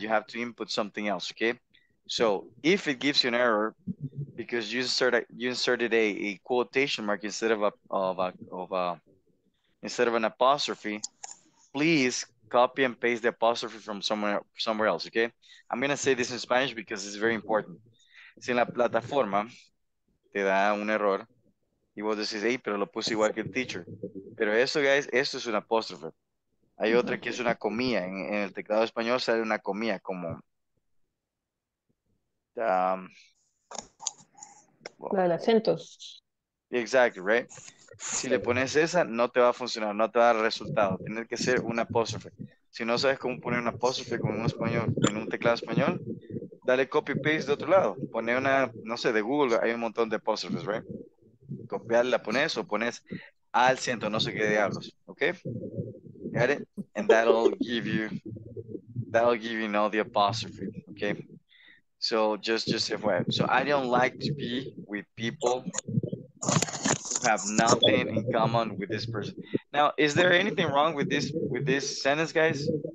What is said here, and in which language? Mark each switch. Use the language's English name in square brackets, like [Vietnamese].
[English] You have to input something else, okay? So if it gives you an error, because you inserted a quotation mark instead of an apostrophe, please copy and paste the apostrophe from somewhere else, okay? I'm gonna say this in Spanish because it's very important. [Spanish] Si en la plataforma te da un error, y vos decís, hey, pero lo puse igual que el teacher. Pero eso, [English] guys, [Spanish] esto es una apóstrofe. Hay otra que es una comilla. En el teclado español sale una comilla como... la de acentos. [English] Exactly, right? [Spanish] Si le pones esa, no te va a funcionar, no te va a dar resultado. Tiene que ser una apóstrofe. Si no sabes cómo poner una apóstrofe con un español, en un teclado español, dale copy-paste de otro lado. Pone una, no sé, de Google, hay un montón de apóstrofes, [English] right? [Spanish] Copiar, la pones o pones al ciento, no sé qué diablos, [English] okay? Got it? And that'll give you know the apostrophe, okay? So just FYI. So I don't like to be with people who have nothing in common with this person. Now, is there anything wrong with this sentence, guys?